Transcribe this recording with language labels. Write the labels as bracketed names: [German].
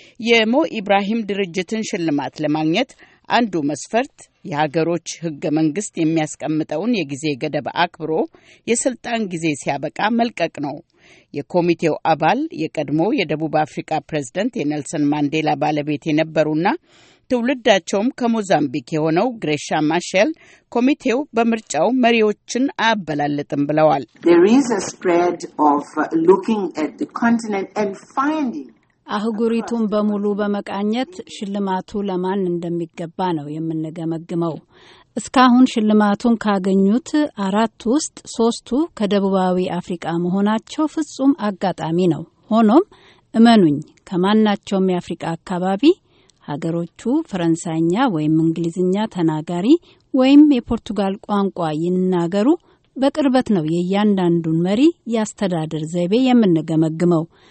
[Amharic] የሞ ኢብራሂም ድርጅትን ሽልማት ለማግኘት አንዱ መስፈርት የሀገሮች ህገ መንግስት የሚያስቀምጠውን የጊዜ ገደብ አክብሮ የስልጣን ጊዜ ሲያበቃ መልቀቅ ነው። የኮሚቴው አባል የቀድሞ የደቡብ አፍሪካ ፕሬዝደንት የኔልሰን ማንዴላ ባለቤት የነበሩና ትውልዳቸውም ከሞዛምቢክ የሆነው ግሬሻ ማሼል ኮሚቴው በመርጫው መሪዎችን አያበላልጥም ብለዋል። [English] There is a spread of looking at the continent and finding [Amharic] አህጉሪቱን በሙሉ በመቃኘት ሽልማቱ ለማን እንደሚገባ ነው የምንገመግመው። እስካሁን ሽልማቱን ካገኙት አራት ውስጥ ሶስቱ ከደቡባዊ አፍሪካ መሆናቸው ፍጹም አጋጣሚ ነው። ሆኖም እመኑኝ ከማናቸውም የአፍሪካ አካባቢ ሀገሮቹ ፈረንሳይኛ ወይም እንግሊዝኛ ተናጋሪ ወይም የፖርቱጋል ቋንቋ ይናገሩ በቅርበት ነው የእያንዳንዱን መሪ ያስተዳድር ዘይቤ የምንገመግመው።